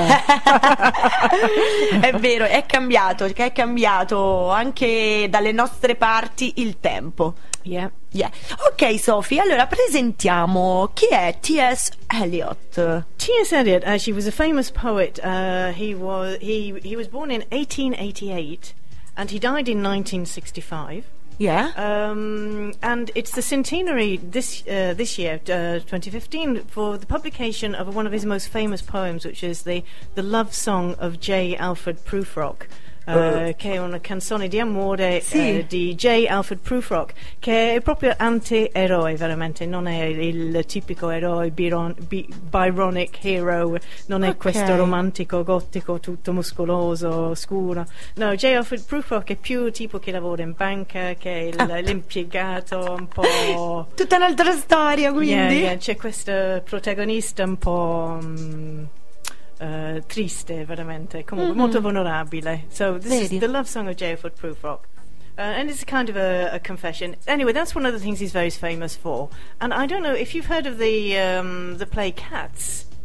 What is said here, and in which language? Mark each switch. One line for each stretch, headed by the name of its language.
Italian: È vero, è cambiato anche dalle nostre parti il tempo.
English: Yeah.
Italian: Ok, Sophie, allora presentiamo chi è T.S. Eliot.
English: T.S. Eliot, she was a famous poet. He was born in 1888 and he died in 1965. Yeah. And it's the centenary this year, 2015, for the publication of one of his most famous poems, which is the Love Song of J.
Italian: Alfred Prufrock. Che è una canzone di amore, sì. Di J. Alfred Prufrock, che è proprio anti-eroe, veramente non è il tipico eroe Byronic hero, non è
English: okay.
Italian: Questo romantico gotico tutto muscoloso scuro, no, J. Alfred Prufrock è più tipo che lavora in banca, che è l'impiegato un po' tutta un'altra storia, quindi c'è questo protagonista un po' triste, veramente, comunque molto vulnerabile.
English: So this Lady. Is the love song of J. Alfred Prufrock, and it's kind of a confession. Anyway, that's one of the things he's very famous for. And I don't know if you've heard of the play Cats.